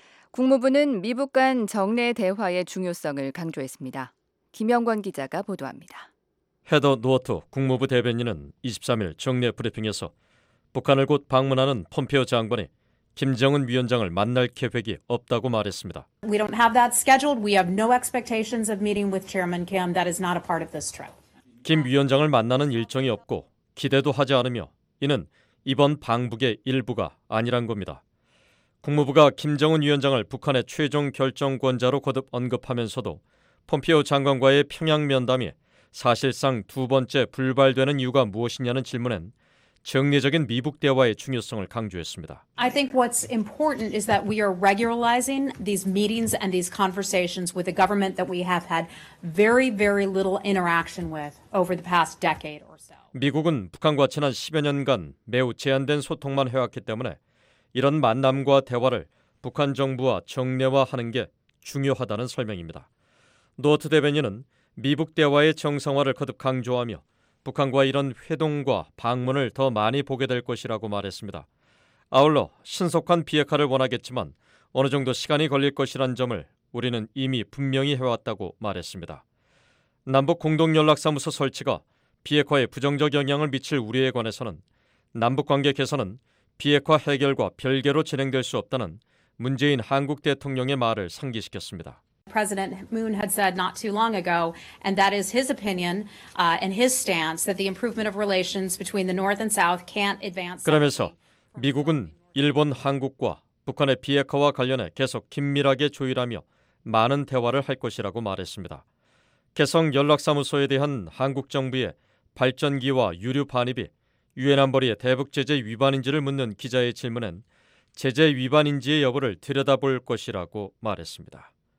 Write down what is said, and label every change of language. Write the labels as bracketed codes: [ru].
[ko] 국무부는 미북 간 정례 대화의 중요성을 강조했습니다. 김영권 기자가 보도합니다. 헤더 노어토 국무부 대변인은 23일 정례 브리핑에서 북한을 곧 방문하는 폼페오 장관이 김정은 위원장을 만날 계획이 없다고 말했습니다. [en] We don't have that scheduled. We have no expectations of meeting with Chairman Kim. That is not a part of this trip. [ko] 김 위원장을 만나는 일정이 없고 기대도 하지 않으며 이는 이번 방북의 일부가 아니란 겁니다. 국무부가 김정은 위원장을 북한의 최종 결정권자로 거듭 언급하면서도 폼페오 장관과의 평양 면담이 사실상 두 번째 불발되는 이유가 무엇이냐는 질문엔 정례적인 미북 대화의 중요성을 강조했습니다. [en] I think what's important is that we are regularizing these meetings and these conversations with a government that we have had very, very little interaction with over the past decade or so. [ko] 미국은 북한과 지난 10여 년간 매우 제한된 소통만 해왔기 때문에 이런 만남과 대화를 북한 정부와 정례화하는 게 중요하다는 설명입니다. 노어트 대변인은 미북 대화의 정상화를 거듭 강조하며 북한과 이런 회동과 방문을 더 많이 보게 될 것이라고 말했습니다. 아울러 신속한 비핵화를 원하겠지만 어느 정도 시간이 걸릴 것이란 점을 우리는 이미 분명히 해왔다고 말했습니다. 남북공동연락사무소 설치가 비핵화에 부정적 영향을 미칠 우려에 관해서는 남북관계 개선은 비핵화 해결과 별개로 진행될 수 없다는 문재인 한국 대통령의 말을 상기시켰습니다. [en] President Moon had said not too long ago, and that is his opinion and his stance that the improvement of relations between the North and South can't advance. [ko] 그러면서 미국은 일본, 한국과 북한의 비핵화와 관련해 계속 긴밀하게 조율하며 많은 대화를 할 것이라고 말했습니다. 개성 연락사무소에 대한 한국 정부의 발전기와 유류 반입이 유엔 안보리의 대북 제재 위반인지를 묻는 기자의 질문엔 제재 위반인지의 여부를 들여다볼 것이라고 말했습니다.